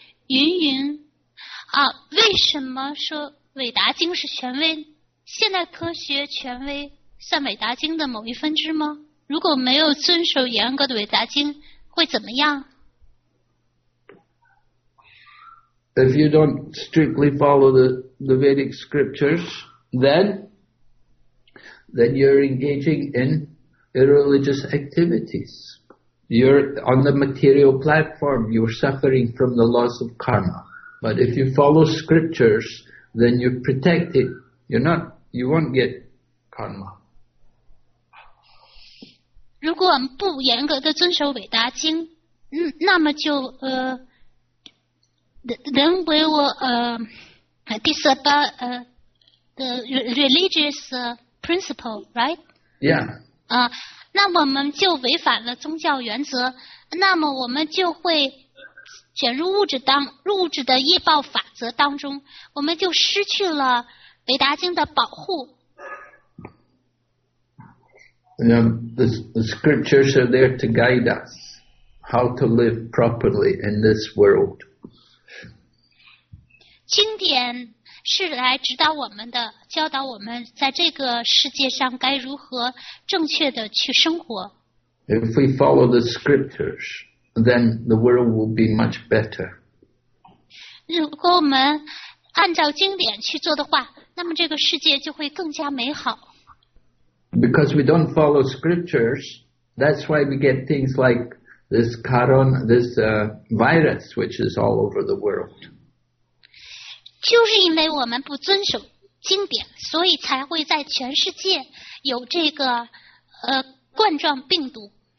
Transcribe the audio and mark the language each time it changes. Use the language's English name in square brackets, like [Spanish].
[Chinese] 云云，为什么说伟达经是权威？现代科学权威算伟达经的某一分支吗？如果没有遵守严格的伟达经，会怎么样？ [English] If you don't strictly follow the Vedic scriptures, then you're engaging in irreligious activities. You're on the material platform, you're suffering from the laws of karma. But if you follow scriptures, then you're protected. You won't get karma. [Chinese] 如果不严格地遵守伟达经，那么就 [English] Then we will disobey the religious principle, right? Yeah. [Chinese] 那我们就违反了宗教原则，那么我们就会卷入入质的业报法则当中，我们就失去了维达经的保护。 [English] The scriptures are there to guide us how to live properly in this world. [Chinese] 经典是来指导我们的，教导我们在这个世界上该如何正确的去生活。 [English] If we follow the scriptures, then the world will be much better. [Chinese] 如果我们按照经典去做的话，那么这个世界就会更加美好。 [English] Because we don't follow scriptures, that's why we get things like this corona, this virus which is all over the world. [Chinese] 就是因为我们不遵守经典，所以才会在全世界有这个冠状病毒。